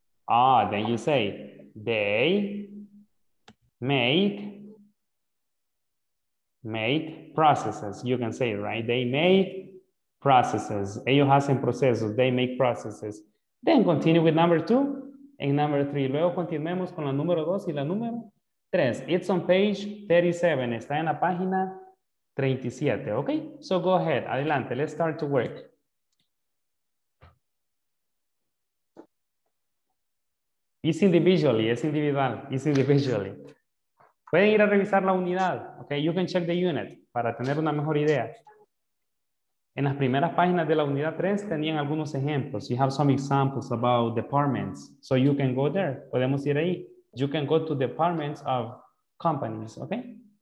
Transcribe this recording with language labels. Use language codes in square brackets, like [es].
[en] Ah, then you say they make processes. You can say, right? They make processes. [es] Ellos hacen procesos. [en] They make processes. Then continue with number two and number three. [es] Luego continuemos con la número dos y la número tres. [en] It's on page 37. [es] Está en la página 37. [en] Okay? So go ahead. [es] Adelante. [en] Let's start to work. It's individually, it's individual, it's individually. [es] Pueden ir a revisar la unidad, [en] okay? You can check the unit [es] para tener una mejor idea. En las primeras páginas de la unidad 3 tenían algunos ejemplos. [en] You have some examples about departments. So you can go there, [es] podemos ir ahí. [en] You can go to departments of companies, okay?